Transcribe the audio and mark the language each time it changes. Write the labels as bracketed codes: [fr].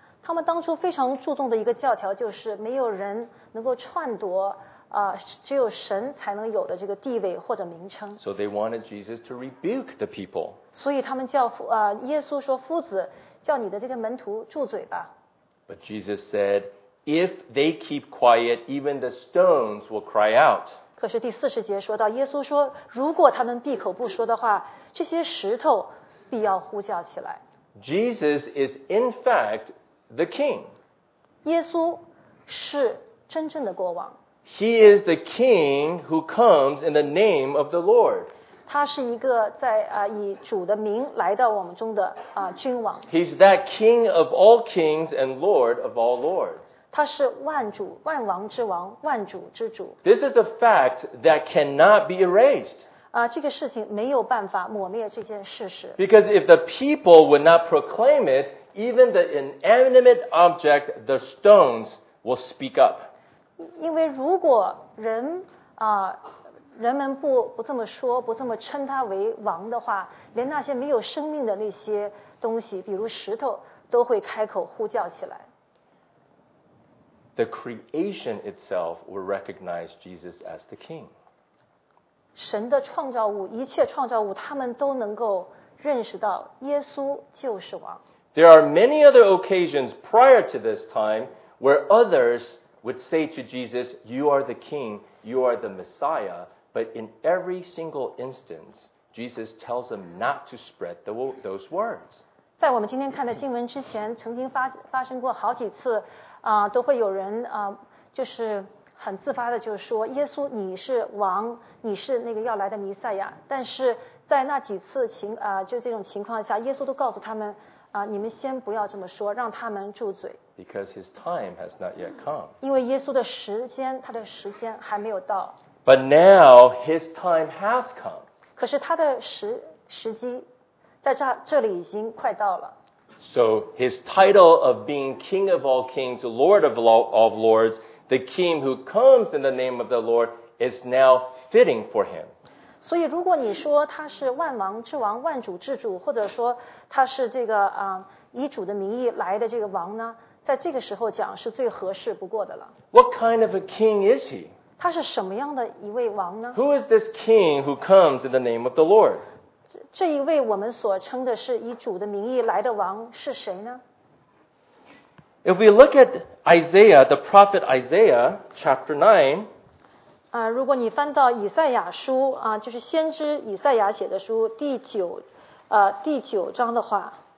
[zh] 他们当初非常注重的一个教条就是没有人能够篡夺只有神才能有的这个地位或者名称。 [en] So they wanted Jesus to rebuke the people. [zh] 所以他们叫耶稣说夫子叫你的这个门徒住嘴吧。 [en] But Jesus said, if they keep quiet, even the stones will cry out. [zh] 可是第四十节说到耶稣说如果他们闭口不说的话这些石头必要呼叫起来。 [en] Jesus is in fact the king. [zh] 耶稣是真正的国王。 [en] He is the king who comes in the name of the Lord. [zh] 他是一个在以主的名来到我们中的君王。 [en] He's that king of all kings and lord of all lords. [zh] 他是万主万王之王万主之主。 [en] This is a fact that cannot be erased. [zh] 这个事情没有办法抹灭这件事实。 [en] Because if the people would not proclaim it, even the inanimate object, the stones, will speak up. [zh] 因为如果人们不这么说，不这么称他为王的话，连那些没有生命的那些东西，比如石头，都会开口呼叫起来。 [en] The creation itself will recognize Jesus as the king. [zh] 神的创造物，一切创造物，他们都能够认识到耶稣就是王。 [en] There are many other occasions prior to this time where others would say to Jesus, "You are the King, you are the Messiah." But in every single instance, Jesus tells them not to spread those words. [zh] 在我们今天看的经文之前，曾经发生过好几次，都会有人就是很自发的就说，耶稣你是王，你是那个要来的弥赛亚。但是在那几次就这种情况下，耶稣都告诉他们你们先不要这么说，让他们住嘴。 [en] Because his time has not yet come. [zh] 因为耶稣的时间，他的时间还没有到。 [en] But now his time has come. [zh] 可是他的时机在这里已经快到了。 [en] So his title of being King of all kings, Lord of all of lords, the King who comes in the name of the Lord is now fitting for him. [zh] 所以如果你说他是万王之王、万主之主，或者说他是这个以主的名义来的这个王呢？在这个时候讲是最合适不过的了。 [en] What kind of a king is he? [zh] 他是什么样的一位王呢？ [en] Who is this king who comes in the name of the Lord? [zh] 这一位我们所称的是以主的名义来的王是谁呢？ [en] If we look at Isaiah, the prophet Isaiah, chapter 9, [zh] 如果你翻到以赛亚书就是先知以赛亚写的书第九章的话。